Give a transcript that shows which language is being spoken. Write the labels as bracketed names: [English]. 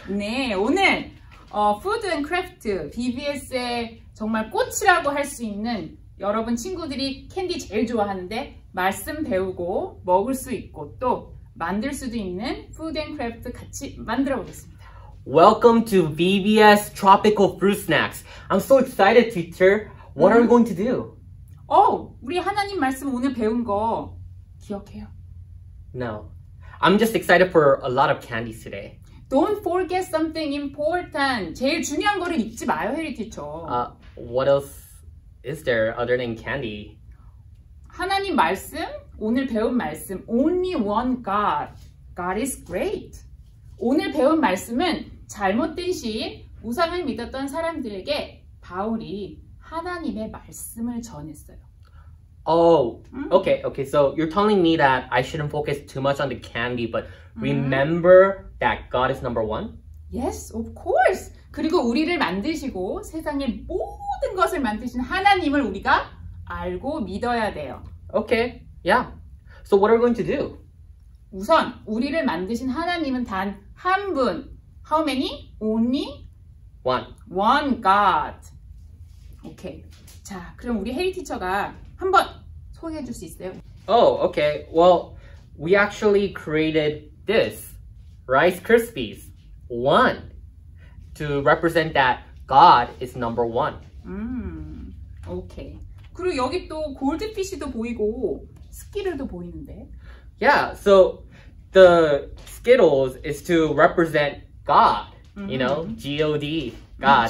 [Korean] 네, 오늘 푸드 앤 크래프트 BBS의 정말 꽃이라고 할 수 있는 여러분 친구들이 캔디 제일 좋아하는데 말씀 배우고 먹을 수 있고 또 만들 수도 있는 푸드 앤 크래프트 같이 만들어 보겠습니다. [English] Welcome to BBS Tropical Fruit Snacks. I'm so excited, teacher. What are we going to do? [Korean] 우리 하나님 말씀 오늘 배운 거 기억해요? [English] No. I'm just excited for a lot of candies today. Don't forget something important. [Korean] 제일 중요한 거를 잊지 마요, 해리 티처. [English] What else is there other than candy? [Korean] 하나님 말씀, 오늘 배운 말씀, [English] only one God. God is great. [Korean] 오늘 배운 말씀은 잘못된 시인, 우상을 믿었던 사람들에게 바울이 하나님의 말씀을 전했어요. [English] Okay. So you're telling me that I shouldn't focus too much on the candy, but remember that God is number one? Yes, of course. [Korean] 그리고 우리를 만드시고 세상의 모든 것을 만드신 하나님을 우리가 알고 믿어야 돼요. [English] Okay, yeah. So what are we going to do? [Korean] 우선 우리를 만드신 하나님은 단 한 분. [English] How many? Only? One. One God. 오케이. [Korean] 자, 그럼 우리 해리 티처가 한번 소개해 줄 수 있어요? [English] Okay. Well, we actually created this Rice Krispies one to represent that God is number one. [Korean] 오케이. 그리고 여기 또 골드피쉬도 보이고 스키들도 보이는데. [English] Yeah, so the Skittles is to represent God, you know, G-O-D, God.